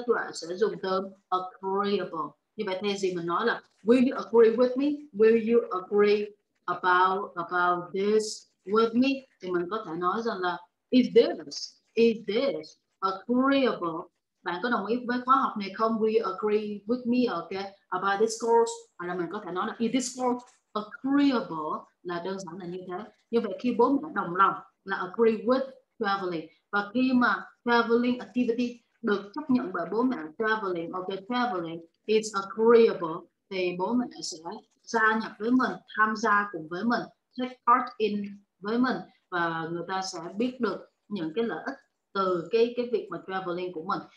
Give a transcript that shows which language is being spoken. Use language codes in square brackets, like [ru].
[vi] Tuệ sẽ dùng từ agreeable. Như vậy thay gì mình nói là [en] will you agree with me, will you agree about this with me, [vi] thì mình có thể nói rằng là [en] is this agreeable. [vi] Bạn có đồng ý với khóa học này không? [en] Will you agree with me, okay, about this course? [vi] Hoặc là mình có thể nói là [en] is this course agreeable, [vi] là đơn giản là như thế. Như vậy khi bố mẹ đồng lòng là [en] agree with traveling, [vi] và khi mà traveling activity được chấp nhận bởi bố mẹ, traveling, okay, [en] traveling is agreeable, [vi] thì bố mẹ sẽ gia nhập với mình, tham gia cùng với mình, [en] take part in [vi] với mình, và người ta sẽ biết được những cái lợi ích từ cái việc mà traveling của mình.